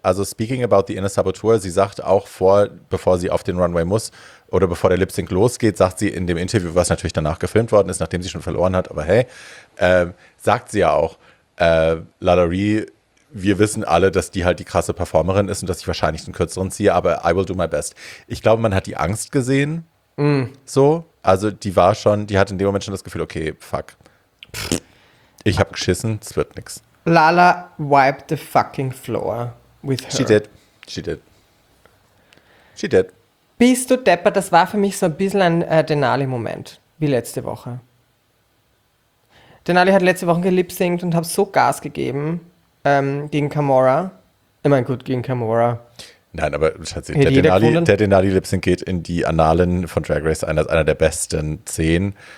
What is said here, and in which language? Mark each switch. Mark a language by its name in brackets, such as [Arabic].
[German] Also speaking about the Inner Saboteur, sie sagt auch bevor sie auf den Runway muss oder bevor der Lip-Sync losgeht, sagt sie in dem Interview, was natürlich danach gefilmt worden ist, nachdem sie schon verloren hat, aber hey, sagt sie ja auch, Lalari wir wissen alle, dass die halt die krasse Performerin ist und dass ich wahrscheinlich den kürzeren ziehe, aber I will do my best. Ich glaube, man hat die Angst gesehen. Mm. So, also die war schon, die hat in dem Moment schon das Gefühl, okay, fuck. Ich hab geschissen, es wird nix. [English] Lala wiped the fucking floor with her. She did. She did. She did. [German] Bist du deppert? Das war für mich so ein bisschen ein Denali-Moment, wie letzte Woche. Denali hat letzte Woche gelipsynkt und hab so Gas gegeben gegen Kamora. Ich meine, gut, gegen Kamora. Nein, aber Schatzi, der Denali-Lipsync geht in die Annalen von Drag Race, einer der besten 10.